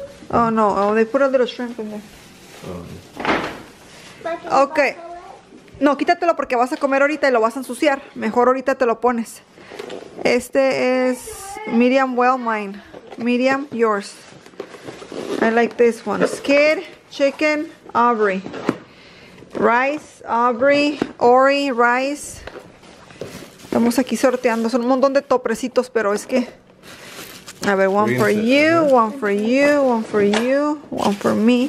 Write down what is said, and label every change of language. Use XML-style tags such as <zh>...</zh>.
<en>Oh no, oh they put a little shrimp in there. Oh. Okay.</en> <es>No, quítatelo porque vas a comer ahorita y lo vas a ensuciar. Mejor ahorita te lo pones. Este es</es> <en>Medium well mine. Medium yours. I like this one. Skid, chicken, Aubrey. Rice, Aubrey, Ori, rice.</en> <es>Estamos aquí sorteando. Son un montón de topercitos, pero es que... A ver,</es> <en>one for you, one for you, one for you, one for me.</en>